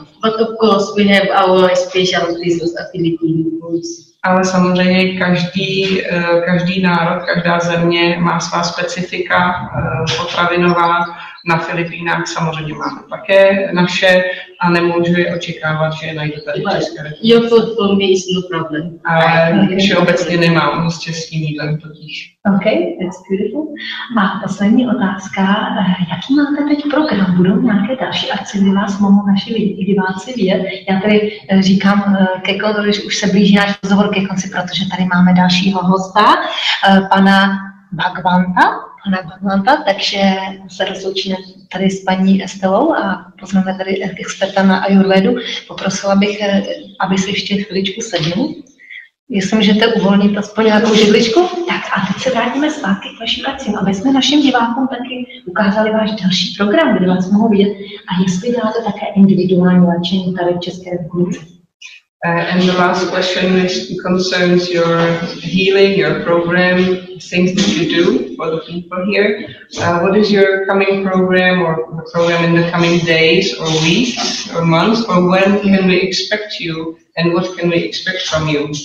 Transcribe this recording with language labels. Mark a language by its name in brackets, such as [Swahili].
[English] But of course we have our special business affinity in foods. [Czech] Ale samozřejmě každý národ, každá země má svá specifika potravinová. Na Filipínách samozřejmě máme také naše a nemůžu je očekávat, že je najdu tady v České republice. [English] Your food for me is no problem. [Czech] Ale obecně nemám s českým jídlem totiž. [English] OK, that's beautiful. [Czech] A poslední otázka, jaký máte teď program? Budou nějaké další akce, kdy vás mohou naši diváci vidět? Já tady říkám, Keko, když už se blíží náš rozhovor ke konci, protože tady máme dalšího hosta, pana Bhagwanta. Pana Bhagwanta, takže se rozloučíme tady s paní Estelou a pozveme tady experta na ayurvedu. Poprosila bych, aby se ještě chviličku sednul. Jestli můžete uvolnit aspoň nějakou židličku. Tak a teď se vrátíme zpátky k vašim akcím, aby jsme našim divákům taky ukázali váš další program, kde vás mohou vidět. A jestli děláte také individuální léčení tady v České republice. [English] And the last question is concerns your healing, your program, things that you do for the people here. What is your coming program or the program in the coming days or weeks or months? Or when can we expect you and what can we expect from you?